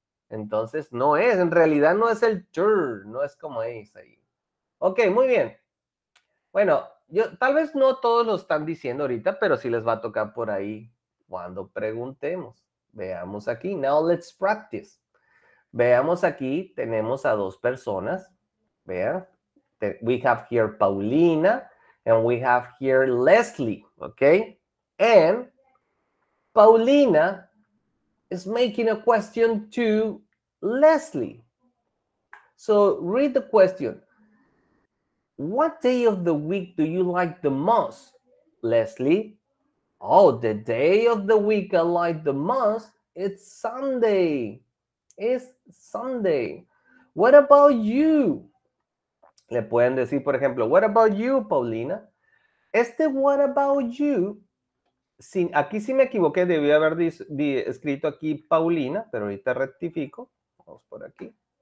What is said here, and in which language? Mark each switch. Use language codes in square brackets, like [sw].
[es] Entonces, no es, en realidad no es el tur, no es como es ahí. Ok, muy bien. Bueno, yo, tal vez no todos lo están diciendo ahorita, pero sí les va a tocar por ahí cuando preguntemos. Veamos aquí. [en] Now let's practice. [es] Veamos aquí, tenemos a dos personas. Vean. [en] We have here Paulina and we have here Leslie. Okay. And Paulina is making a question to Leslie. So read the question. What day of the week do you like the most, Leslie? Oh, the day of the week I like the most, it's Sunday. It's Sunday. What about you? [es] Le pueden decir, por ejemplo, [en] what about you, Paulina? [es] Este [en] what about you, [es] sin, aquí sí me equivoqué, debí haber escrito aquí Paulina, pero ahorita rectifico. Vamos por aquí.